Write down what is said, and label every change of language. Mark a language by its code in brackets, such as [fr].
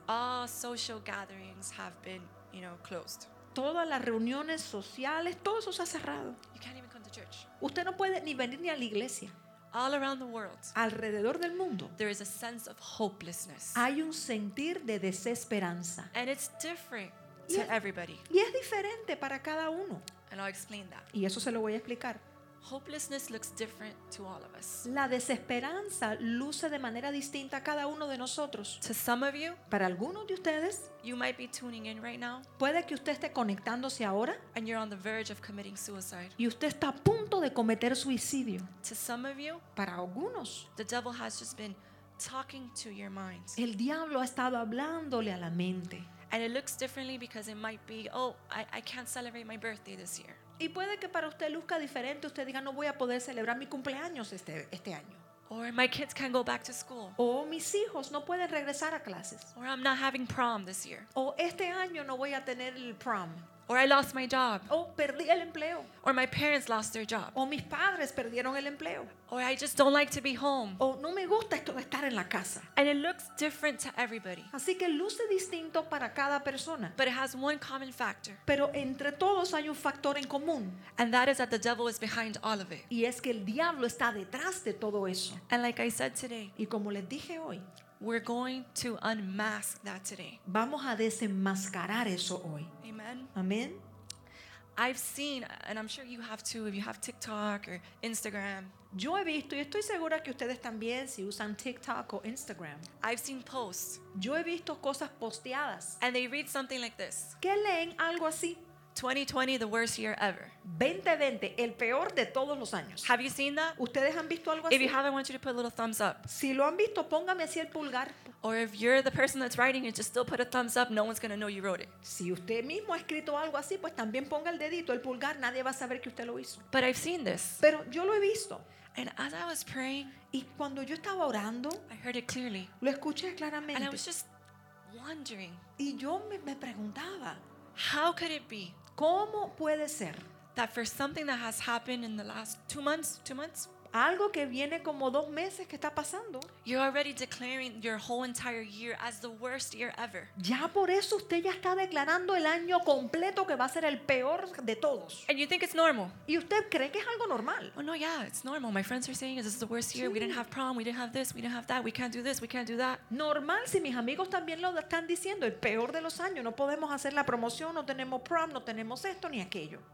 [en] All social gatherings have been, you know, closed. [es] Todas las reuniones sociales, todo eso se ha cerrado. [en] You can't even come to church. [es] Usted no puede ni venir ni a la iglesia. [en] All around the world. [es] Alrededor del mundo. [en] There is a sense of hopelessness. [es] Hay un sentir de desesperanza. [en] And it's different to everybody. [es] Y es diferente para cada uno. [en] And I'll explain that. [es] Y eso se lo voy a explicar. [en] Hopelessness looks different to all of us. [es] La desesperanza luce de manera distinta a cada uno de nosotros. [en] To some of you, [es] para algunos de ustedes, [en] you might be tuning in right now. [es] Puede que usted esté conectándose ahora. [en] And you're on the verge of committing suicide. [es] Y usted está a punto de cometer suicidio. [en] To some of you, [es] para algunos, [en] the devil has just been talking to your mind. [es] El diablo ha estado hablándole a la mente. [en] And it looks differently because it might be, oh, I can't celebrate my birthday this year. [es] Y puede que para usted luzca diferente, usted diga, no voy a poder celebrar mi cumpleaños este año. [en] Or my kids can't go back to school. [es] O mis hijos no pueden regresar a clases. [en] Or I'm not having prom this year. [es] O este año no voy a tener el prom. [en] Or I lost my job. [es] Oh, perdí el empleo. [en] Or my parents lost their job. [es] O mis padres perdieron el empleo. [en] Or I just don't like to be home. [es] O no me gusta esto de estar en la casa. [en] And it looks different to everybody. [es] Así que luce distinto para cada persona. [en] But it has one common factor. [es] Pero entre todos hay un factor en común. [en] And that is that the devil is behind all of it. [es] Y es que el diablo está detrás de todo eso. [en] And like I said today. [es] Y como les dije hoy. [en] We're going to unmask that today. [es] Vamos a desenmascarar eso hoy. [en] Amen. [es] Amen. [en] I've seen, and I'm sure you have too, if you have TikTok or Instagram. [es] Yo he visto, y estoy segura que ustedes también, si usan TikTok o Instagram. [en] I've seen posts. [es] Yo he visto cosas posteadas. [en] And they read something like this. [es] ¿Qué leen algo así? [en] 2020, the worst year ever. [es] 2020, el peor de todos los años. [en] Have you seen that? [es] ¿Ustedes han visto algo así? [en] If you have, I want you to put a little thumbs up. [es] Si lo han visto, póngame así el pulgar. [en] Or if you're the person that's writing it, just still put a thumbs up. No one's going to know you wrote it. [es] Si usted mismo ha escrito algo así, pues también ponga el dedito, el pulgar. Nadie va a saber que usted lo hizo. [en] But I've seen this. [es] Pero yo lo he visto. [en] And as I was praying, [es] y cuando yo estaba orando, [en] I heard it clearly. [es] Lo escuché claramente. [en] And I was just wondering. [es] Y yo me preguntaba, [en] how could it be? [es] ¿Cómo puede ser? [en] That for something that has happened in the last two months, [es] algo que viene como dos meses que está pasando, [en] you're already declaring your whole entire year as the worst year ever. [es] Ya por eso usted ya está declarando el año completo que va a ser el peor de todos. [en] And you think it's normal. [es] Y usted cree que es algo normal. [en] Oh no, yeah, it's normal. My friends are saying this is the worst year. [es] Sí. [en] We didn't have prom, we didn't have this, we didn't have that, we can't do this, we can't do that. [es] Normal, si mis amigos también lo están diciendo, el peor de los años, no podemos hacer la promoción, no tenemos prom, no tenemos esto ni aquello.